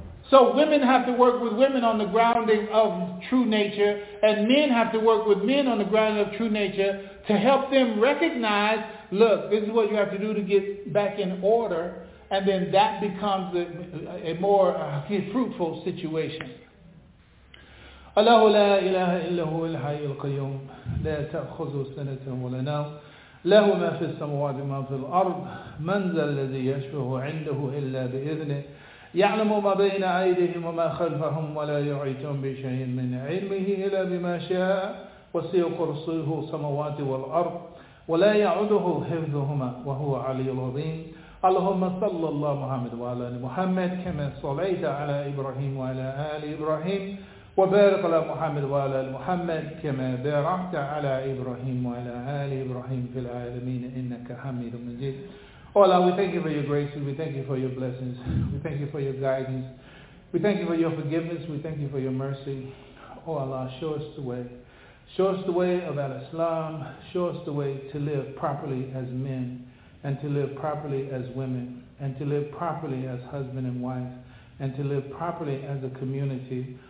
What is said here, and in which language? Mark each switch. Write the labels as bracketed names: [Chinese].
[English] So women have to work with women on the grounding of true nature, and men have to work with men on the grounding of true nature to help them recognize, look, this is what you have to do to get back in order, and then that becomes a more fruitful situation. [Arabic] الله لا إله إلا هو الحي القيوم لا تأخذه سنة ولا نوم له ما في السماوات وما في الأرض من ذا الذي يشفع عنده إلا بإذنه يعلم ما بين أيديهم وما خلفهم ولا يعيطون بشيء من علمه إلا بما شاء وسيع كرسيه السماوات والأرض ولا يعوده حفظهما وهو علي العظيم اللهم صل الله محمد وعلى محمد كما صليت على إبراهيم وعلى آل إبراهيم وبارك على محمد وعلى محمد كما باركت على إبراهيم وعلى آل إبراهيم في العالمين إنك حميد مجيد. [English] Oh Allah, we thank you for your graces, we thank you for your blessings, we thank you for your guidance, we thank you for your forgiveness, we thank you for your mercy. Oh Allah, show us the way. Show us the way of Al-Islam, show us the way to live properly as men, and to live properly as women, and to live properly as husband and wife, and to live properly as a community.